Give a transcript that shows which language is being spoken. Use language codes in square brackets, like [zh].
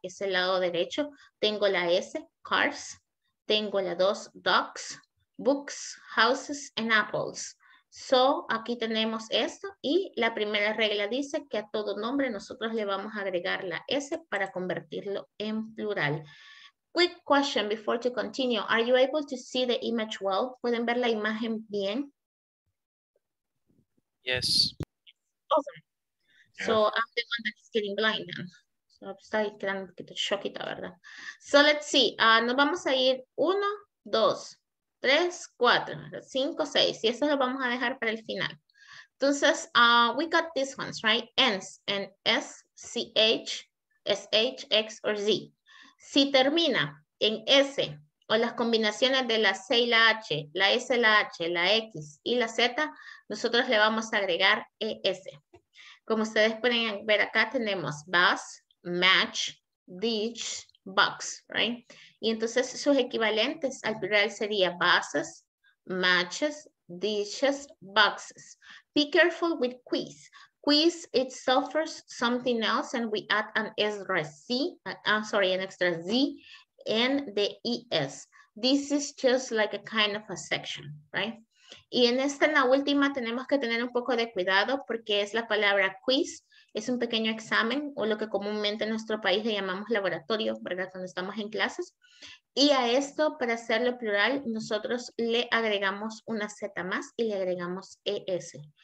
[es] Es el lado derecho. Tengo la S, cars. Tengo la 2, dogs. [en] Books, houses, and apples. So, [es] aquí tenemos esto. Y la primera regla dice que a todo nombre nosotros le vamos a agregar la S para convertirlo en plural. [en] Quick question before to continue. Are you able to see the image well? [es] ¿Pueden ver la imagen bien? [en] Yes. Awesome. So I'm the one that's getting blind now. [es] So estoy quedando un poquito choquita, ¿verdad? [en] So let's see. [es] Nos vamos a ir 1, 2, 3, 4, 5, 6. Y eso lo vamos a dejar para el final. [en] Entonces, we got these ones, right? Ends. And S, C, H, S, H, X, or Z. [es] Si termina en S, o las combinaciones de la C y la H, la S, la H, la X y la Z, nosotros le vamos a agregar ES. Como ustedes pueden ver acá, tenemos bus, match, ditch, box, right? Y entonces sus equivalentes al plural sería buses, matches, ditches, boxes. [en] Be careful with quiz. Quiz, it suffers something else and we add an extra C, an extra Z and the ES. This is just like a kind of a section, right? [es] Y en esta, en la última, tenemos que tener un poco de cuidado porque es la palabra quiz, es un pequeño examen o lo que comúnmente en nuestro país le llamamos laboratorio, ¿verdad? Cuando estamos en clases. Y a esto, para hacerlo plural, nosotros le agregamos una Z más y le agregamos ES.